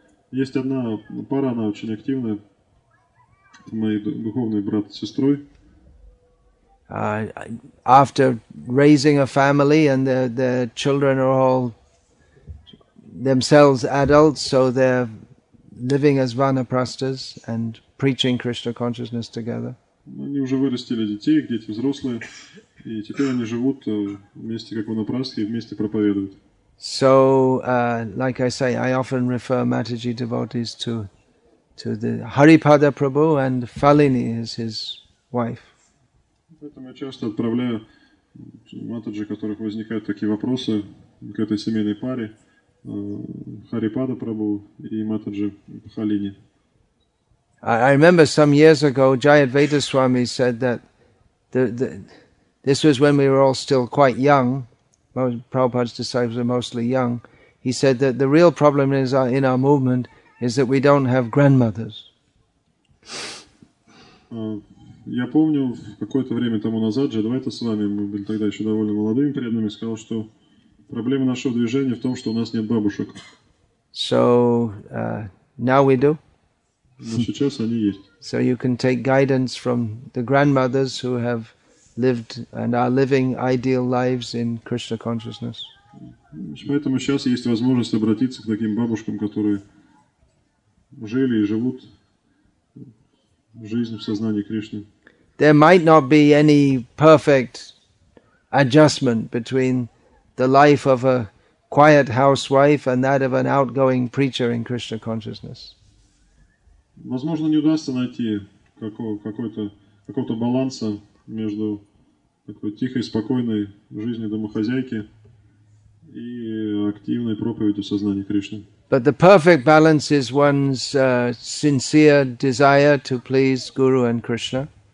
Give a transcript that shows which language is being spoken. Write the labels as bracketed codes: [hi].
[ru] Есть одна пара, она очень активная. Мой духовный брат с сестрой. [en] After raising a family and the children are all themselves adults, so they're living as vanaprastas and preaching Krishna consciousness together. [ru] Они уже вырастили детей, дети взрослые, и теперь они живут вместе как ванапрасты и вместе проповедуют. [en] So, like I say, I often refer Mataji devotees to the Haripada Prabhu, and Falini is his wife. [ru] Поэтому я часто отправляю Матаджи, у которых возникают такие вопросы, к этой семейной паре, Харипада Прабху и Матаджи Халини. [en] I remember some years ago, Jayadvaita Swami said that this was when we were all still quite young. Prabhupada's disciples were mostly young. He said that the real problem is in our movement is that we don't have grandmothers. [ru] Я помню, в какое-то время тому назад, Джадвайта с вами, мы были тогда еще довольно молодыми преданными, сказал, что проблема нашего движения в том, что у нас нет бабушек. [en] So, now we do. [ru] Но сейчас они есть. [en] So you can take guidance from the grandmothers who have lived and are living ideal lives in Krishna consciousness. [ru] Поэтому сейчас есть возможность обратиться к таким бабушкам, которые жили и живут жизнь в сознании Кришны. [en] There might not be any perfect adjustment between the life of a quiet housewife and that of an outgoing preacher in Krishna consciousness. [ru] Возможно, не удастся найти какого-то баланса между такой тихой, спокойной жизнью домохозяйки и активной проповедью сознания Кришны. [en] But the perfect balance is one's sincere desire to please Guru and Krishna.